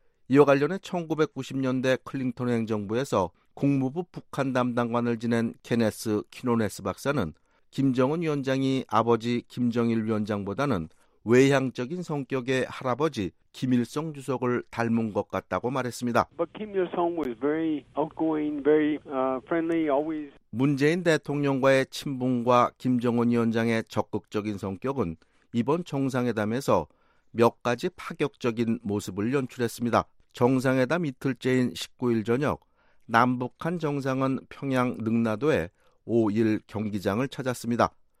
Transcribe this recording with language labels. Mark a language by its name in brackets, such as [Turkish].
[Korean] 이와 관련해 1990년대 클링턴 행정부에서 국무부 북한 담당관을 지낸 케네스 키노네스 박사는 김정은 위원장이 아버지 김정일 위원장보다는 외향적인 성격의 할아버지 김일성 주석을 닮은 것 같다고 말했습니다. [English] But Kim Il-sung was very outgoing, very friendly, always. [Korean] 문재인 대통령과의 친분과 김정은 위원장의 적극적인 성격은 이번 정상회담에서 몇 가지 파격적인 모습을 연출했습니다. 정상회담 이틀째인 19일 저녁, 남북한 정상은 평양 능라도에 5일 경기장을 찾았습니다.